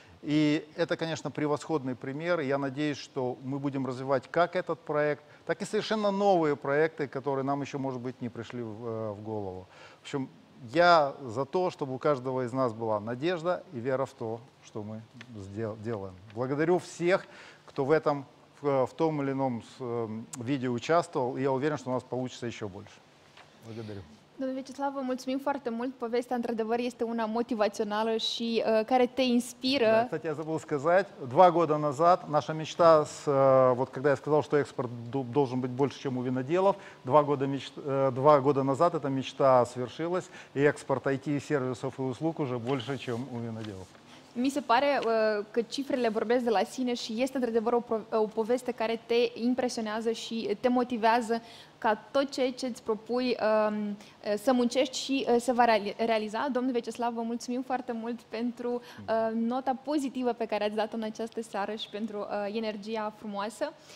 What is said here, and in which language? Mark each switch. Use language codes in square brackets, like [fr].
[ru] И это, конечно, превосходный пример. Я надеюсь, что мы будем развивать как этот проект, так и совершенно новые проекты, которые нам еще, может быть, не пришли в голову. В общем, я за то, чтобы у каждого из нас была надежда и вера в то, что мы делаем. Благодарю всех, кто в этом, в том или ином видео участвовал. И я уверен, что у нас получится еще больше. Благодарю. [ro] Domnul Vecislav, vă mulțumim foarte mult. Povestea, într-adevăr, este una motivațională și care te inspiră. [ru] Da, кстати, я забыл сказать. Два года назад наша мечта, вот когда я сказал, что экспорт должен быть больше, чем у виноделов, два года назад эта мечта свершилась, и экспорт IT-сервисов и услуг уже больше, чем у виноделов. [ro] Mi se pare că cifrele vorbesc de la sine și este într-adevăr o poveste care te impresionează și te motivează ca tot ceea ce îți propui să muncești și se va realiza. Domnul Vecislav, vă mulțumim foarte mult pentru nota pozitivă pe care ați dat-o în această seară și pentru energia frumoasă.